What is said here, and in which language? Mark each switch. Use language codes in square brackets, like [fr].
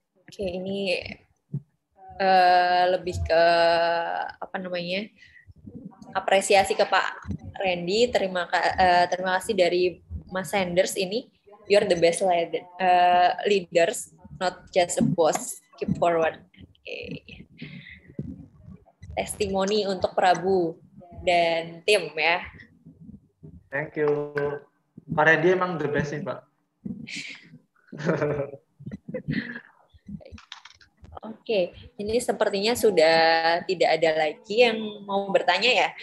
[id] Oke, ini lebih ke apa namanya, apresiasi ke Pak Randy. Terima kasih dari Mas Sanders ini. [en] You're the best leaders, not just a boss. Keep forward. Okay. [id] Testimoni untuk Prabu dan tim ya. [en] Thank you. [id] Pak Randy emang [en] the best [id] sih, Pak. Oke, ini sepertinya sudah tidak ada lagi yang mau bertanya ya.